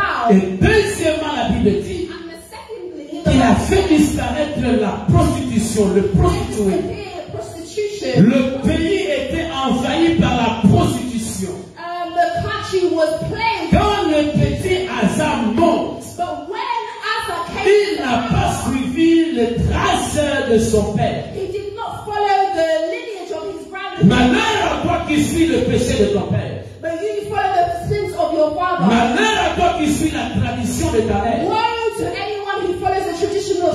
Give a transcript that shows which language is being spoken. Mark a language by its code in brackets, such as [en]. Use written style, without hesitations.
[fr] Et deuxièmement, la Bible dit qu'il a fait disparaître la prostitution, le prostitué. Le pays était envahi par la prostitution. [en] The country was plagued. [fr] Quand le petit Asa monte, [en] but when Asa came, [fr] il n'a pas suivi les traces de son père. [en] He did not follow the lineage of his grandfather. [fr] Malheur à toi qui suis le péché de ton père. [en] But you didn't follow the sins of your father. [fr] Malheur à toi qui suis la tradition de ta mère. [en] Woe to anyone who follows the tradition of.